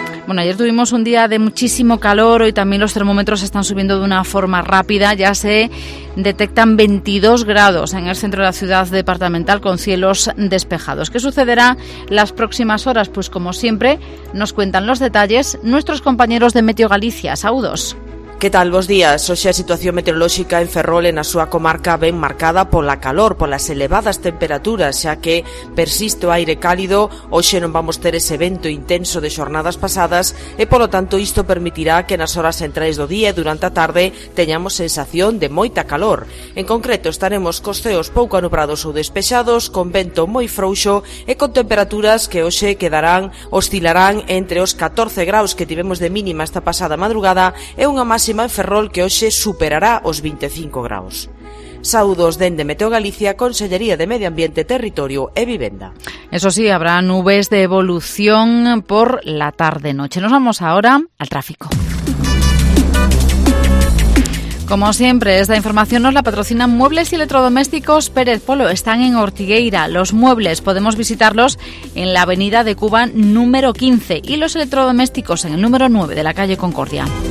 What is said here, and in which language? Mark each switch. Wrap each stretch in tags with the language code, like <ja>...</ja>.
<es>Bueno, ayer tuvimos un día de muchísimo calor, hoy también los termómetros están subiendo de una forma rápida. Ya se detectan 22 grados en el centro de la ciudad departamental con cielos despejados. ¿Qué sucederá las próximas horas? Pues como siempre, nos cuentan los detalles nuestros compañeros de Meteo Galicia.</es> <gl>Saudos. ¿Qué tal? Bos días. Hoxe a situación meteorolóxica en Ferrol e na súa comarca ben marcada pola calor, polas elevadas temperaturas, xa que persiste o aire cálido, hoxe non vamos ter ese vento intenso de xornadas pasadas e, polo tanto, isto permitirá que nas horas centrais do día e durante a tarde teñamos sensación de moita calor. En concreto, estaremos cos ceos pouco anubrados ou despexados, con vento moi frouxo e con temperaturas que hoxe quedarán, oscilarán entre os 14 graus que tivemos de mínima esta pasada madrugada e unha máxima en Ferrol que hoxe superará os 25 graus. Saúdos dende Meteo Galicia, Consellería de Medio Ambiente, Territorio e Vivenda.</gl> <es>Eso sí, habrá nubes de evolución por la tarde-noche. Nos vamos ahora al tráfico. Como siempre, esta información nos la patrocinan Muebles y Electrodomésticos Pérez Polo. Están en Ortigueira. Los muebles podemos visitarlos en la Avenida de Cuba número 15 y los electrodomésticos en el número 9 de la calle Concordia.</es>